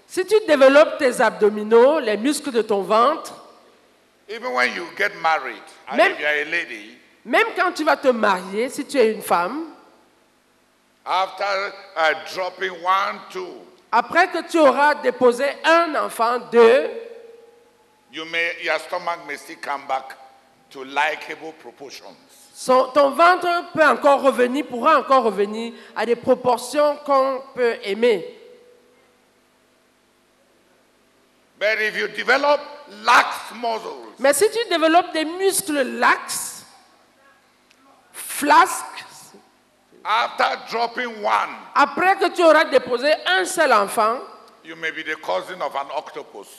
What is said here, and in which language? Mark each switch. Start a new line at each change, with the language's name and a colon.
French: si tu développes tes abdominaux, les muscles de ton ventre,
English: even when you get married,
French: même,
English: if you are a lady,
French: même quand tu vas te marier, si tu es une femme,
English: after dropping one, two,
French: après que tu auras déposé un enfant, deux,
English: your stomach may still come back to likable proportions.
French: ton ventre peut encore revenir, pourra encore revenir à des proportions qu'on peut aimer.
English: But if you develop lax muscles,
French: mais si tu développes des muscles lax, flasques,
English: after dropping one,
French: après que tu auras déposé un seul enfant,
English: you may be the cousin of an octopus.